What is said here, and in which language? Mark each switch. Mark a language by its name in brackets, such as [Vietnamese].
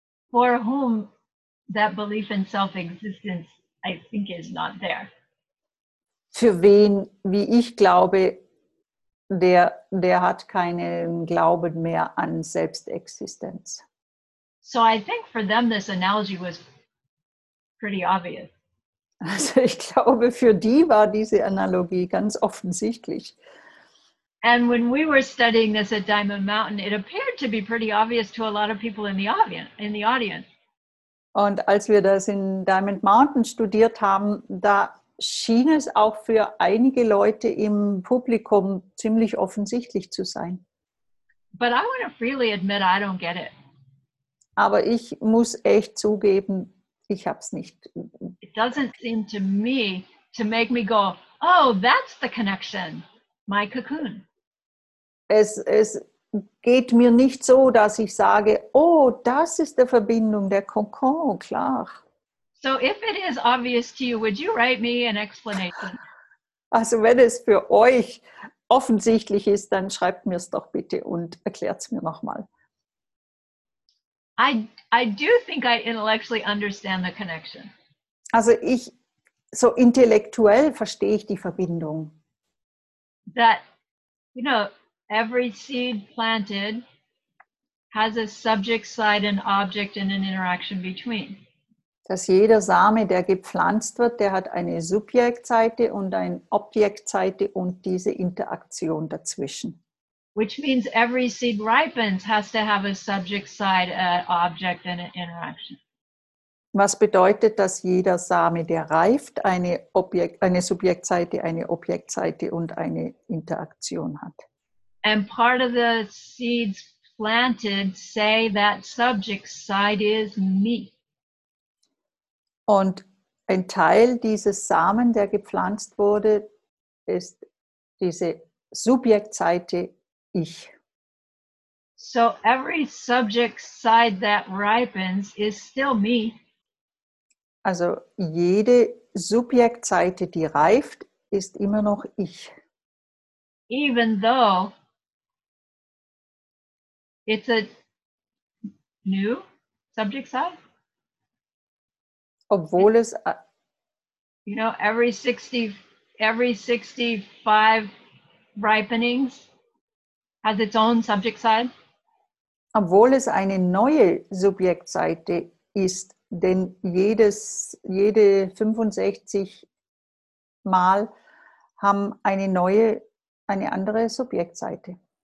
[English] For whom that belief in self-existence, I think, is not there. [German] Für wen, wie ich glaube, der hat keinen Glauben mehr an Selbstexistenz. [English] So I think for them this analogy was pretty obvious. [German] Also ich glaube, für die war diese Analogie ganz offensichtlich. [English] And when we were studying this at Diamond Mountain, it appeared to be pretty obvious to a lot of people in the audience. [German] Und als wir das in Diamond Mountain studiert haben, da schien es auch für einige Leute im Publikum ziemlich offensichtlich zu sein. [English] But I want to freely admit, I don't get it. [German] Aber ich muss echt zugeben, ich habe es nicht. [English] It doesn't seem to me to make me go, oh, that's the connection, my cocoon. [German] Es geht mir nicht so, dass ich sage, oh, das ist der Verbindung, der Kokon, klar. [English] So if it is obvious to you, would you write me an explanation? [German] Also wenn es für euch offensichtlich ist, dann schreibt mir es doch bitte und erklärt es mir nochmal. [English] I do think I intellectually understand the connection. [German] Also ich, so intellektuell verstehe ich die Verbindung. [English] That, you know, every seed planted has a subject side, an object and an interaction between. [German] Dass jeder Same, der gepflanzt wird, der hat eine Subjektseite und eine Objektseite und diese Interaktion dazwischen. [English] Which means every seed ripens has to have a subject side, an object and an interaction. [German] Was bedeutet, dass jeder Same, der reift, eine Subjektseite, eine Objektseite und eine Interaktion hat? [English] And part of the seeds planted say that subject side is me. [German] Und ein Teil dieses Samen, der gepflanzt wurde, ist diese Subjektseite, ich. [English] So every subject side that ripens is still me. [German] Also jede Subjektseite, die reift, ist immer noch ich. [English] Even though it's a new subject side. [German] Obwohl es, [English] you know, every 65 ripenings has its own subject side. [German] Obwohl es eine neue Subjektseite ist, denn jede 65 Mal haben eine andere Subjektseite.